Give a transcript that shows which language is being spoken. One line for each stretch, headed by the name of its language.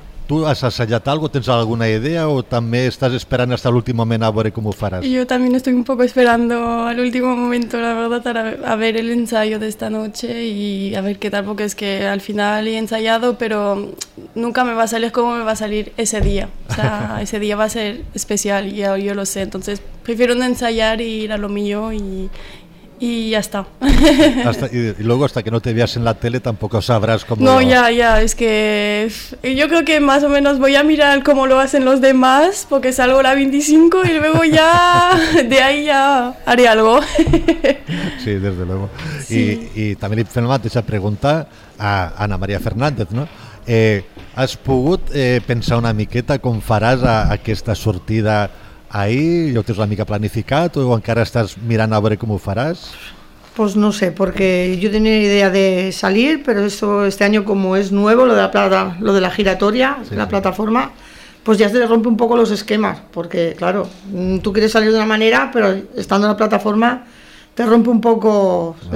Catalan: Tu has assajat algo, tens alguna idea o també estàs esperant hasta l'últim moment a veure com ho faràs? Jo també estic un poc esperant a l'últim moment, la veritat, a veure l'ensaio d'esta noche i a veure què tal, perquè és que al final he ensaiado, però
Spanish: nunca me va a salir como me va a salir ese día. O sea, ese día va a ser especial y yo lo sé, entonces prefiero no ensayar y ir a lo mío y ya está. Y luego hasta que no te veas en la tele tampoco sabrás cómo... No, ya, es que yo creo que más o menos voy a mirar cómo lo hacen los demás, porque salgo la 25 y luego ya de ahí ya haré algo. Sí, desde luego. Sí. Y también le hice una mateixa pregunta a Ana María Fernández, ¿no?
Catalan: Has pogut pensar una miqueta com faràs aquesta sortida ahir? Ja ho tens una mica planificat o encara estàs mirant a veure com ho faràs?
Spanish: Pues no sé, porque yo tenía idea de salir, pero esto, este año como es nuevo, lo de la giratoria, sí, la plataforma, pues ya se le rompe un poco los esquemas, porque claro, tú quieres salir de una manera, pero estando en la plataforma te rompe un poco, bueno.